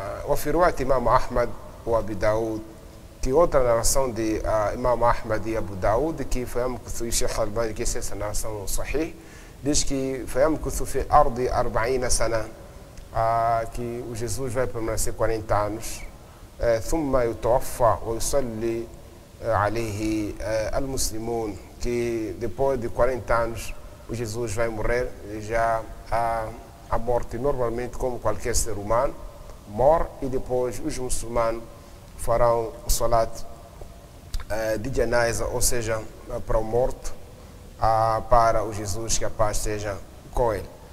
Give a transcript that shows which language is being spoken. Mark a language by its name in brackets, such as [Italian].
[Portuguese] Afirmou Imam Ahmad ou Abu Daud, que outra narração de Imam Ahmad e Abu Daud, que foi um que o Sheikh Al-Bani disse essa narração sahih, diz que foi um que sofreu arde 40 sana, que o Jesus vai permanecer 40 anos. [Arabic] ثم يتوفى ويصلي عليه المسلمون. [Portuguese] Que depois de 40 anos o Jesus vai morrer, já a morte normalmente como qualquer ser humano morre, e depois os muçulmanos farão o salat de janaza, ou seja, para o morto, para o Jesus, que a paz esteja com ele.